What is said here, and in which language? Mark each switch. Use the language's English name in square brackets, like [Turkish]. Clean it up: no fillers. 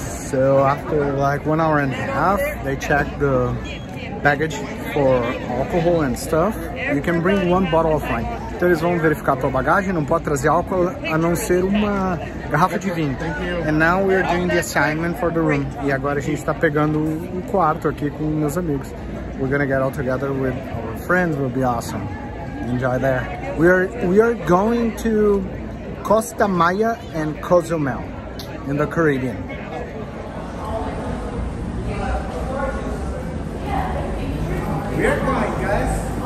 [English] So after like 1.5 hours, they check the baggage for alcohol and stuff. You can bring one bottle of wine. [Portuguese] Então eles vão verificar a tua bagagem, não pode trazer álcool a não ser uma garrafa de vinho. [English] Thank you. And now we are doing the assignment for the room. [Portuguese] E agora a gente está pegando um quarto aqui com meus amigos. [English] We're gonna get all together with our friends, will be awesome. Enjoy there. We are going to Costa Maya and Cozumel in the Caribbean. We are going, guys.